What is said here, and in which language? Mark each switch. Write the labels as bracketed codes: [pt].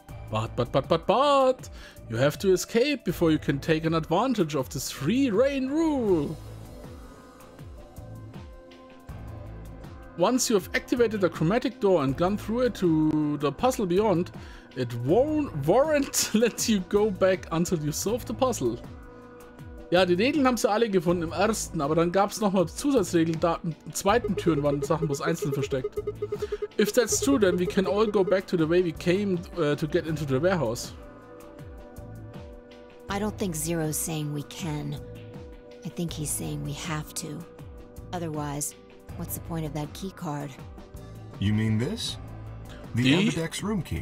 [en] But, you have to escape before you can take an advantage of this free reign rule. Once you have activated the chromatic door and gone through it to the puzzle beyond, it won't let you go back until you solve the puzzle. [de] Ja, die Regeln haben sie alle gefunden im ersten, aber dann gab es nochmal Zusatzregeln, da in zweiten Türen waren Sachen bloß einzeln versteckt. [en] If that's true, then we can all go back to the way we came to get into the warehouse. I don't think Zero's saying we can. I think he's saying we have to. Otherwise, what's the point of that key card? You mean this? The Ambidex room key.